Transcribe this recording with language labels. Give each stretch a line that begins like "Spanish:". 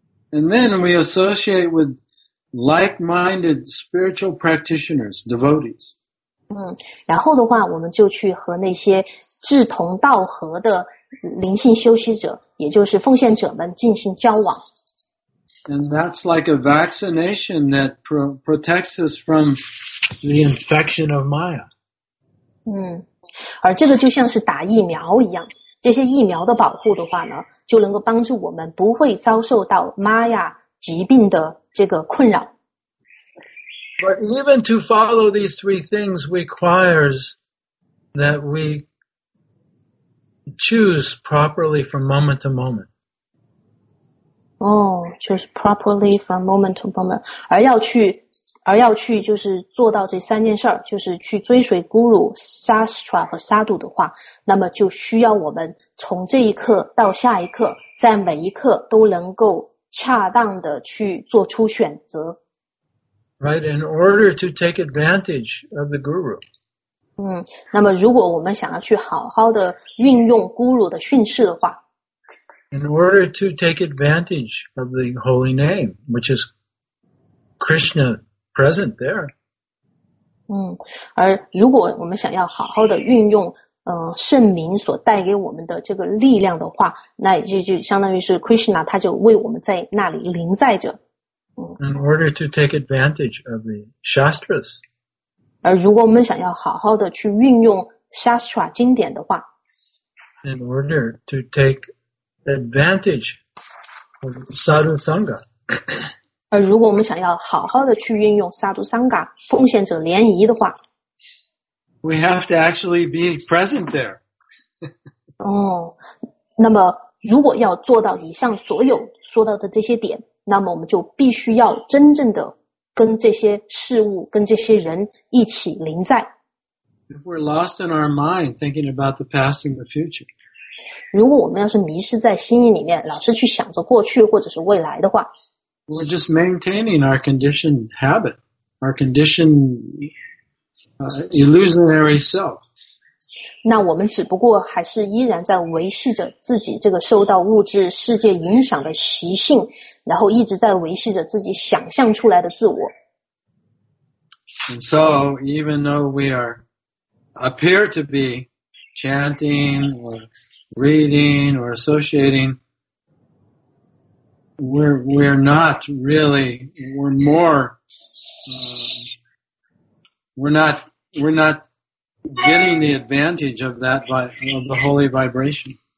English: And then we associate with like-minded spiritual practitioners, devotees.
Chinese: 然后的话，我们就去和那些志同道合的灵性修习者，也就是奉献者们进行交往。
English: And that's like a vaccination that protects us from the infection of Maya.
Chinese: 而这个就像是打疫苗一样，这些疫苗的保护的话呢，就能够帮助我们不会遭受到玛雅疾病的这个困扰。
English: But even to follow these three things requires that we choose properly from moment to moment. Oh, choose properly from moment to moment.
Chinese: 而要去就是做到这三件事，就是去追随 Guru, Shastra 和 Sadhu 的话，那么就需要我们从这一刻到下一刻，在每一刻都能够恰当的去做出选择。
English: Right, in order to take advantage of the guru.
Chinese: 那么如果我们想要去好好的运用 guru 的训示的话，
English: In order to take advantage of the holy name, which is Krishna present there.
Chinese: 而如果我们想要好好的运用圣名所带给我们的这个力量的话，那就相当于是 Krishna 他就为我们在那里临在着。
English: In order to take advantage of the shastras.
Chinese: 而如果我们想要好好的去运用 shastra 经典的话，
English: In order to take advantage of sadhu sangha.
Chinese: 而如果我们想要好好的去运用 sadhu sangha 奉献者联谊的话，
English: We have to actually be present there.
Chinese: 那么如果要做到以上所有说到的这些点，那么我们就必须要真正的跟这些事物跟这些人一起临在。
English: If we're lost in our mind thinking about the past and the future.
Chinese: 如果我们要是迷失在心意里面，老是去想着过去或者是未来的话，
English: We're just maintaining our conditioned habit, our conditioned, illusionary self.
Chinese: 那我们只不过还是依然在维系着自己这个受到物质世界影响的习性，然后一直在维系着自己想象出来的自我。
English: And so, even though we are appear to be chanting or reading or associating, we're not really, we're more, we're not getting the advantage of that of the holy vibration.